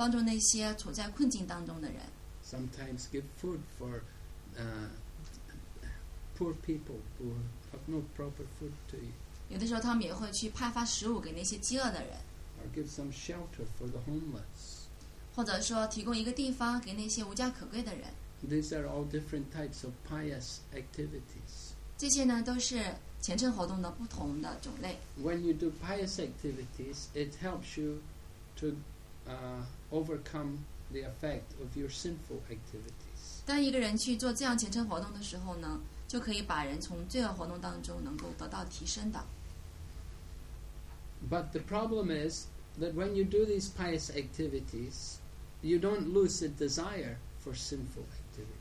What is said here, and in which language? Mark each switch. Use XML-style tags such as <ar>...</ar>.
<zh>他们会去布施，帮助那些处在困境当中的人。</zh> <en>Sometimes give food for poor people who have no proper food to eat.</en> <zh>有的时候，他们也会去派发食物给那些饥饿的人。</zh> <en>Or give some shelter for the homeless.</en> <zh>或者说，提供一个地方给那些无家可归的人。</zh> <en>These are all different types of pious activities.</en> <zh>这些呢，都是虔诚活动的不同的种类。</zh> <en>When you do pious activities, it helps you to overcome the effect of your sinful activities.</en> <zh>当一个人去做这样虔诚活动的时候呢，就可以把人从罪恶活动当中能够得到提升的。</zh> <en>But the problem is that when you do these pious activities, you don't lose the desire for sinful activities.</en>